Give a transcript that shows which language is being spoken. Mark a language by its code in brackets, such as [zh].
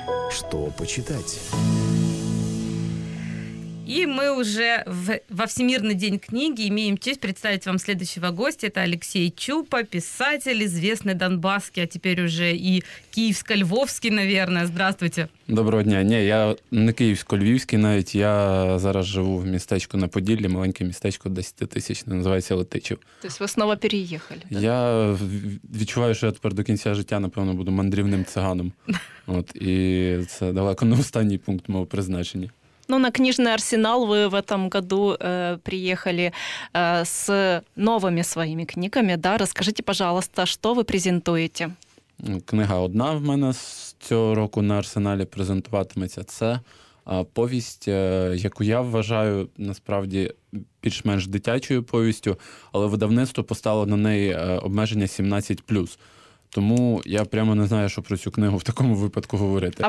[ru] Что почитать? И мы уже во Всемирный день книги имеем честь представить вам следующего гостя. Это Алексей Чупа, писатель, известный донбасский, а теперь уже и киевско-львовский, наверное. Здравствуйте. [uk] Доброго дня. Не, я не киевско-львовский навіть. Я зараз живу в містечку на Поділлі, маленьке містечко, 10 тисяч, називається Летичів. Тобто ви знову переїхали. Так? Я відчуваю, що я тепер до кінця життя, напевно, буду мандрівним циганом. От, і це далеко не останній пункт мого призначення. [ru] Ну, на книжный арсенал вы в этом году приехали с новыми своими книгами, да? Расскажите, пожалуйста, что вы презентуете? [uk] Книга одна в мене з цього року на арсеналі презентуватиметься. Це повість, яку я вважаю, насправді, більш-менш дитячою повістю, але видавництво поставило на неї обмеження 17+. Тому я прямо не знаю, що про цю книгу в такому випадку говорити.